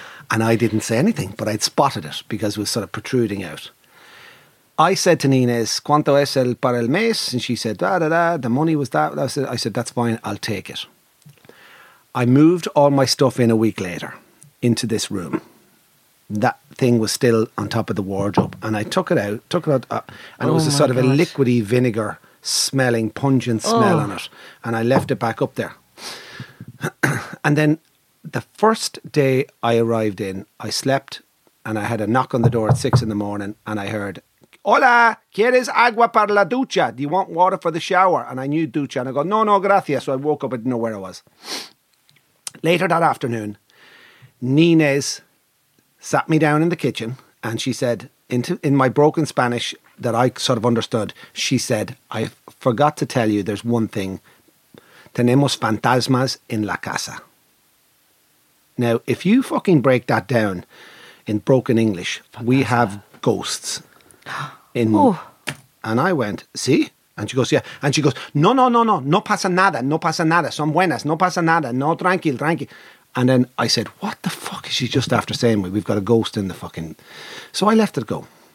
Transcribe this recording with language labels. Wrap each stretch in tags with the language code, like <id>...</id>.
<en>And I didn't say anything, but I'd spotted it because it was sort of protruding out. I said to Nines,</en> <es>¿cuánto es el para el mes?</es> <en>And she said, da, da, da, the money was that. I said, that's fine, I'll take it. I moved all my stuff in a week later into this room. That thing was still on top of the wardrobe. And I took it out, and it was a sort of a liquidy vinegar smelling, pungent smell on it. And I left it back up there. And then the first day I arrived in, I slept and I had a knock on the door at 6 a.m. and I heard,</en> <es>hola, ¿quieres agua para la ducha?</es> <en>Do you want water for the shower? And I knew ducha. And I go,</en> <es>no, no, gracias.</es> <en>So I woke up, I didn't know where I was. Later that afternoon, Nines sat me down in the kitchen and she said, in my broken Spanish that I sort of understood, she said, I forgot to tell you, there's one thing.</en> <es>Tenemos fantasmas en la casa.</es> <en>Now, if you fucking break that down in broken English, fantasma. We have ghosts. And I went,</en> <es>¿sí?</es> <en>And she goes, yeah. And she goes,</en> <es>no, no, no, no, no pasa nada, no pasa nada, son buenas, no pasa nada, no, tranquil, tranquil.</es> <en>And then I said, what the fuck is she just after saying? We've got a ghost in the fucking... So I left it go.</en>